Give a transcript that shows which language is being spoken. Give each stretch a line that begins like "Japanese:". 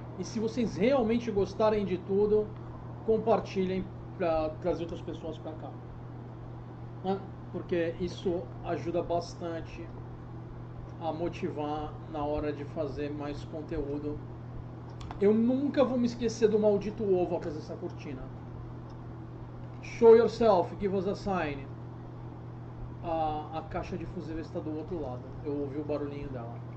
Portuguese: E se vocês realmente gostarem de tudo, compartilhem para trazer outras pessoas para cá, né? Porque isso ajuda bastante a motivar na hora de fazer mais conteúdo. Eu nunca vou me esquecer do maldito ovo atrás dessa cortina.
English: Show yourself, give us a sign.
Portuguese: A caixa de fuzil está do outro lado. Eu ouvi o barulhinho dela.